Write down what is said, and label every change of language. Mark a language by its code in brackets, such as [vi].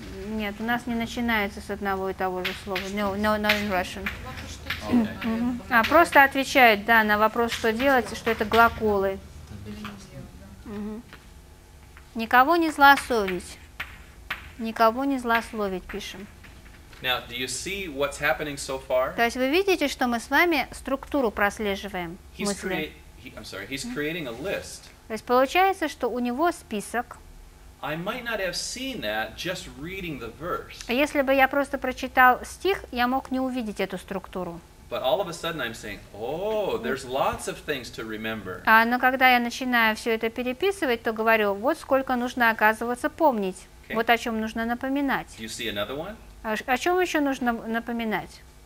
[ru] Нет, у нас не начинается с одного и того же слова. [en] No, in Russian. Okay. [ru] Просто отвечают, да, на вопрос, что делать, что это глаголы. Никого не злословить. Никого не злословить, пишем. [en] Now, do you see what's happening so far? [ru] То есть вы видите, что мы с вами структуру прослеживаем мысли? [en] He's creating a list. [ru] То есть получается, что у него список. [en] I might not have seen that just reading the verse. [ru] Если бы я просто прочитал стих, я мог не увидеть эту структуру. [en] But all of a sudden I'm saying, oh, there's lots of things to remember. [ru] Но когда я начинаю все это переписывать, то говорю, вот сколько нужно, оказывается, помнить. [en] Okay. [ru] Вот о чем нужно напоминать. [en] You see another one? [ru] О чем еще нужно напоминать?